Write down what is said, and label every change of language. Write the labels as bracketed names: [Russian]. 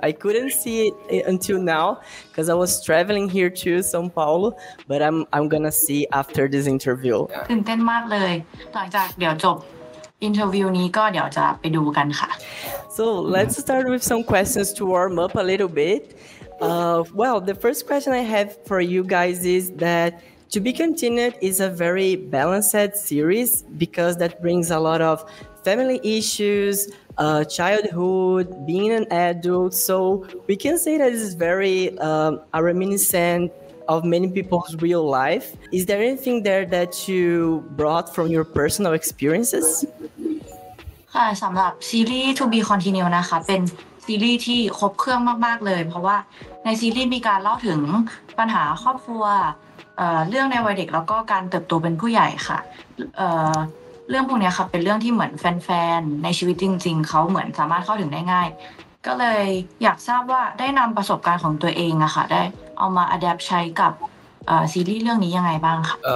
[English] I couldn't see it until now because I was traveling here to São Paulo, but I'm gonna see after this interview. [Thai] ตื่นเต้นมากเลยหลังจากเดี๋ยวจบอินเทอร์วิวนี้ก็เดี๋ยวจะไปดูกันค่ะ [English] So let's start with some questions to warm up a little bit. Well, the first question I have for you guys is that To Be Continued is a very balanced series because that brings a lot of family issues, childhood, being an adult. So we can say that it's very reminiscent of many people's real life. Is there anything there that you brought from your personal experiences? [Thai] ค่ะ สำหรับซีรีส์ To Be Continued นะคะ เป็นซีรีส์ที่ครบเครื่องมากๆเลยเพราะว่าในซีรีส์มีการเล่าถึงปัญหาครอบครัว เรื่องในวัยเด็กแล้วก็การเติบโตเป็นผู้ใหญ่ค่ะ เรื่องพวกนี้ค่ะเป็นเรื่องที่เหมือนแฟนๆในชีวิตจริงๆเขาเหมือนสามารถเข้าถึงได้ง่ายก็เลยอยากทราบว่าได้นำประสบการณ์ของตัวเองอะค่ะได้เอามาอะแดปต์ใช้กับซีรีส์เรื่องนี้ยังไงบ้างค่ะ